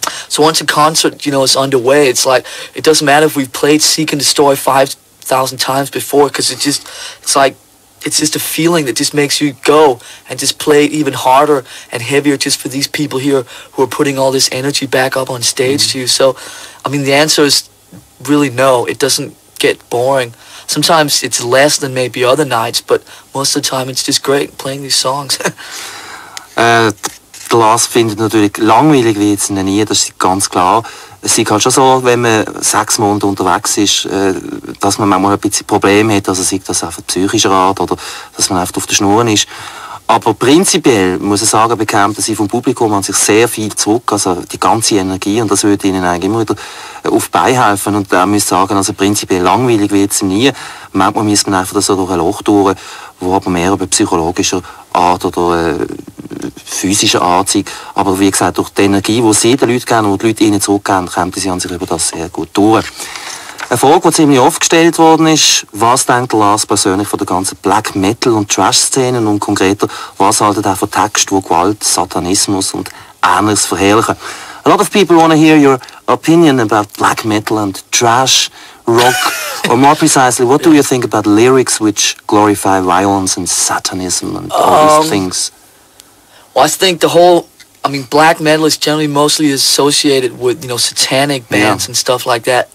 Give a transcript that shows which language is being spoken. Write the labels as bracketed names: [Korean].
[English] So once a concert, you know, is underway, it's like it doesn't matter if we've played Seek and Destroy 5,000 times before, because it just, it's like, it's just a feeling that just makes you go and just play even harder and heavier just for these people here who are putting all this energy back up on stage mm-hmm. to you. So, I mean, the answer is really no. It doesn't get boring. Sometimes it's less than maybe other nights, but most of the time it's just great playing these songs. [German] Der Lars findet natürlich, langweilig wird es ihnen nie, das ist ganz klar. Es ist halt schon so, wenn man 6 Monate unterwegs ist, dass man manchmal ein bisschen Probleme hat, also sei das einfach psychischer Art oder dass man einfach auf der Schnur ist. Aber prinzipiell muss ich sagen, bekämpfen sie vom Publikum an sich sehr viel zurück, also die ganze Energie, und das würde ihnen eigentlich immer wieder auf die Beine helfen. Und da muss ich sagen, also prinzipiell langweilig wird es nie. Manchmal muss man einfach so durch ein Loch durch, wo aber mehr über psychologischer Art oder physischer Art sind. Aber wie gesagt, durch die Energie, die sie den Leuten geben und die Leute ihnen zurückgeben, kämpfen sie an sich über das sehr gut durch. Eine Frage, die ziemlich oft gestellt worden ist, was denkt Lars persönlich von der ganzen Black-Metal- und Trash-Szene und konkreter, was haltet er von Texten, die Gewalt, Satanismus und Ähnliches verherrlichen? [English] A lot of people want to hear your opinion about Black-Metal and Trash, Rock, or more precisely, what do you think about lyrics which glorify violence and Satanism and all these things? Well, I think the whole, I mean, black metal is generally mostly associated with, you know, satanic bands yeah. and stuff like that.